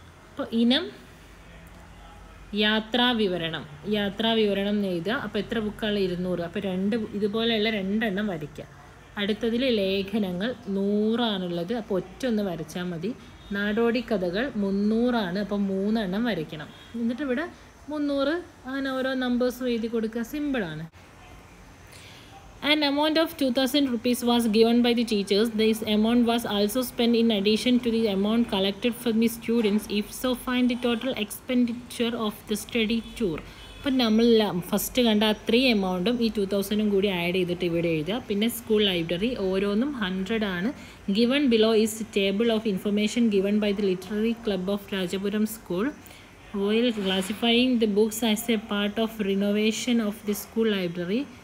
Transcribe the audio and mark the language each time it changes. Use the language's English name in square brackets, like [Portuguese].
[Malayalam] അപ്പോൾ ഇനം യാത്രാവിവരണം എഴുതുക. അപ്പോൾ എത്ര ബുക്കുകൾ? 200. അപ്പോൾ രണ്ട് ഇതുപോലെയുള്ള രണ്ടെണ്ണം വരയ്ക്കുക. അടുത്തതിൽ ലേഖനങ്ങൾ 100 അപ്പോൾ ഒറ്റ ഒന്ന് വരച്ചാൽ മതി. നാടോടിക്കഥകൾ 300, അപ്പോൾ 3 വരയ്ക്കണം. എന്നിട്ട് ഇവിടെ 300 അങ്ങനെ ഓരോ നമ്പേഴ്സും എഴുതി കൊടുക്കുക. സിമ്പിളാണ്. [English] An amount of 2000 rupees was given by the teachers. This amount was also spent in addition to the amount collected from the students. If so, find the total expenditure of the study tour. [Malayalam] അപ്പം നമ്മൾ first കണ്ട അത്രയും എമൗണ്ടും ഈ 2000 കൂടി add ചെയ്തിട്ട് ഇവിടെ എഴുതുക. പിന്നെ സ്കൂൾ ലൈബ്രറി ഓരോന്നും [English] 100. Given below is table of information given by the literary club of Rajapuram school while classifying the books as a part of renovation of the school library.